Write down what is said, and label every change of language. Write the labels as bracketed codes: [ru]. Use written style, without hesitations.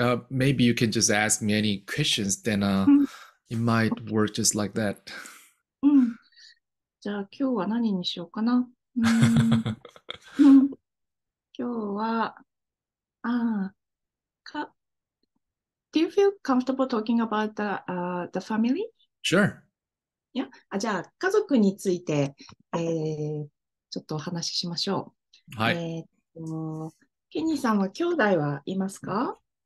[en] Maybe you can just ask me any questions, then it might work just like that. [ja] じゃあ今日は何にしようかな。今日は、 [en] Do you feel comfortable talking about the family? Sure. Yeah? [ja] じゃあ家族について、ちょっとお話ししましょはい。う。ケニーさんは兄弟はいますか？